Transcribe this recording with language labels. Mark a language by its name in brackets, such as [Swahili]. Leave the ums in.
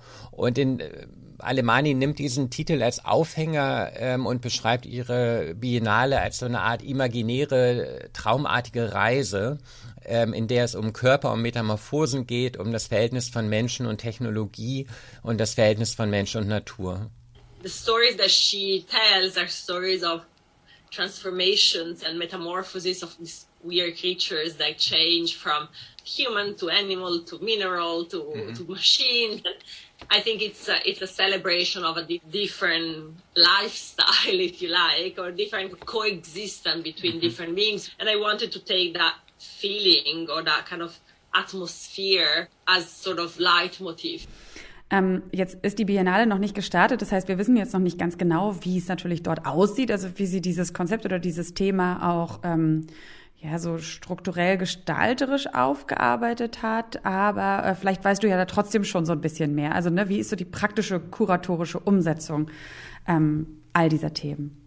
[German] und in Alemani nimmt diesen Titel als Aufhänger und beschreibt ihre Biennale als so eine Art imaginäre, traumartige Reise in der es um Körper und um Metamorphosen geht, um das Verhältnis von Menschen und Technologie und das Verhältnis von Mensch und Natur. [English] The stories that she tells are stories of transformations and metamorphosis of these weird creatures that change from human to animal to mineral to, mm -hmm. to machine. I think it's a, it's a celebration of a di different lifestyle, if you like, or different coexistence between mm -hmm. different beings. And I wanted to take that feeling [German] oder [English] that kind of atmosphere as sort of leitmotiv. [German] Ähm, jetzt ist die Biennale noch nicht gestartet, das heißt, wir wissen jetzt noch nicht ganz genau, wie es natürlich dort aussieht, also wie sie dieses Konzept oder dieses Thema auch ähm, ja so strukturell gestalterisch aufgearbeitet hat. Aber äh, vielleicht weißt du ja da trotzdem schon so ein bisschen mehr. Also ne, wie ist so die praktische kuratorische Umsetzung ähm, all dieser Themen?